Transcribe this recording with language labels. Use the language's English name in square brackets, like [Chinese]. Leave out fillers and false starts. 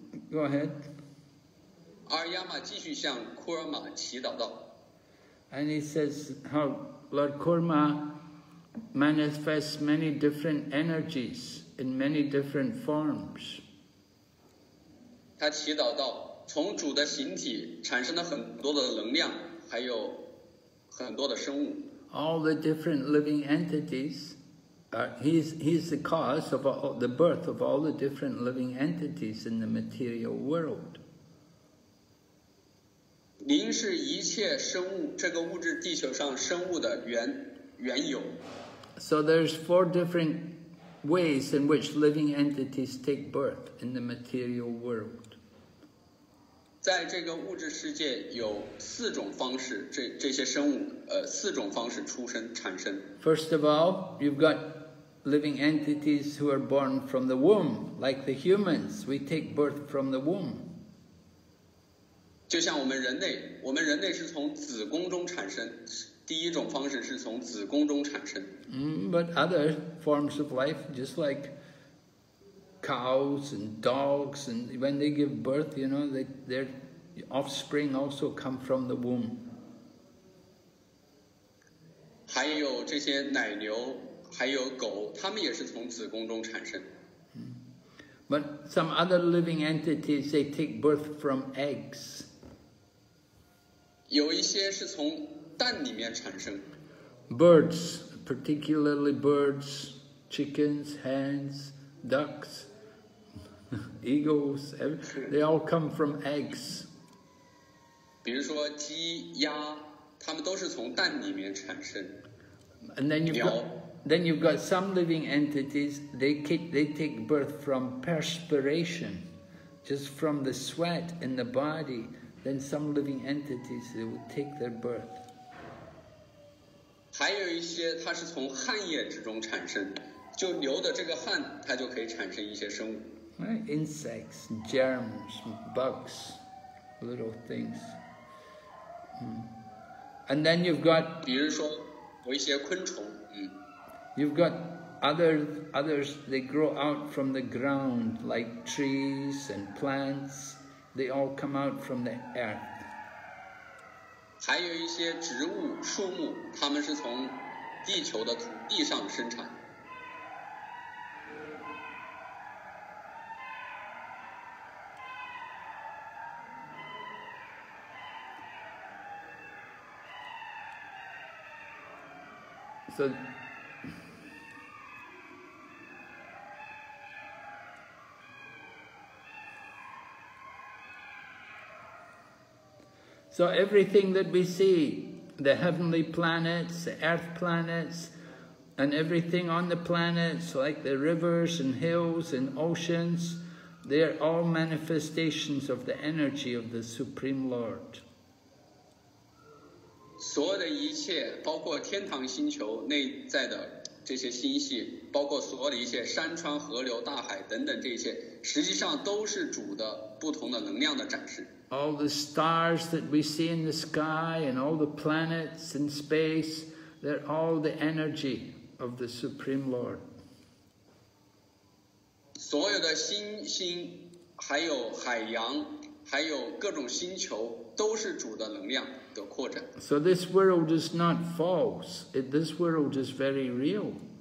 [English] Go ahead. [Chinese] Aryama 继续向 Kurma 祈祷道。 [English] And he says how Lord Kurma manifests many different energies in many different forms. [Chinese] 他祈祷道，从主的形体产生了很多的能量，还有很多的生物。 [English] All the different living entities, he's the cause of all, the birth of all the different living entities in the material world. [Chinese] 您是一切生物，这个物质地球上生物的缘由。 [English] So there's four different ways in which living entities take birth in the material world. [Chinese] 在这个物质世界有四种方式，这些生物四种方式出生产生。 [English] First of all, you've got living entities who are born from the womb, like the humans. We take birth from the womb. [Chinese] 就像我们人类是从子宫中产生，第一种方式是从子宫中产生。 [English] But other forms of life, just like cows and dogs, and when they give birth, you know, their offspring also come from the womb. [Chinese] 还有这些奶牛，还有狗，它们也是从子宫中产生。 [English] But some other living entities, they take birth from eggs. [Chinese] 有一些是从蛋里面产生。 [English] Birds, particularly birds, chickens, hens, ducks. Eagles, they all come from eggs. [Chinese] 比如说鸡鸭，它们都是从蛋里面产生。 [English] And then you've got some living entities. They take birth from perspiration, just from the sweat in the body. Then some living entities they would take their birth. [Chinese] 还有一些它是从汗液之中产生，就流的这个汗，它就可以产生一些生物。 [English] Right? Insects, germs, bugs, little things. And then you've got, [Chinese] 比如说有一些昆虫。 [English] You've got others, they grow out from the ground, like trees and plants. They all come out from the earth. [Chinese] 还有一些植物、树木，它们是从地球的土地上生产。 [English] So everything that we see, the heavenly planets, the earth planets, and everything on the planets, like the rivers and hills and oceans, they are all manifestations of the energy of the Supreme Lord. [Chinese] 所有的一切，包括天堂星球内在的这些星系，包括所有的一切山川、河流、大海等等，这些实际上都是主的不同的能量的展示。 [English] All the stars that we see in the sky and all the planets in space, they're all the energy of the Supreme Lord. [Chinese] 所有的星星，还有海洋，还有各种星球，都是主的能量。 [English] So this world is not false. This world is very real.